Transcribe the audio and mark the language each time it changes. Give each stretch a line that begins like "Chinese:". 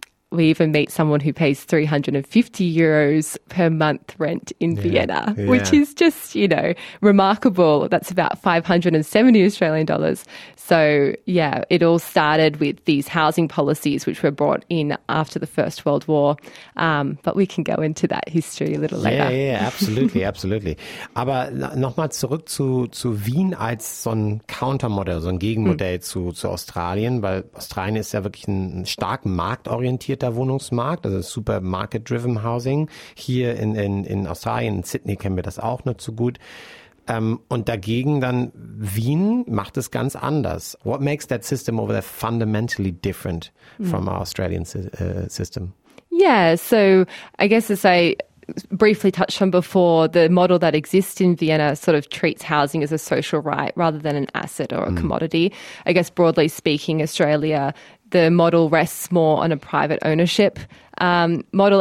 English: We even meet someone who pays 350 euros per month rent in Vienna, which is just, you know, remarkable. That's about 570 Australian dollars. So, yeah, it all started with these housing policies, which were brought in after the First World War. But we can go into that history a little later. Yeah, absolutely, absolutely.
German: Aber nochmal zurück zu Wien als so ein Countermodell, so ein Gegenmodell zu Australien, weil Australien ist ja wirklich ein stark marktorientierter Wohnungsmarkt, also
English: super market-driven housing.
German: Hier in Australien, in Sydney kennen wir das auch nur zu gut. Und dagegen dann Wien macht es ganz anders.
English: What makes that system over there fundamentally different from our Australian system? Yeah, so I guess as I briefly touched on before, the model that exists in Vienna sort of treats housing as a social right rather than an asset or a commodity. I guess broadly speaking, Australia, the model rests more on a private ownership model.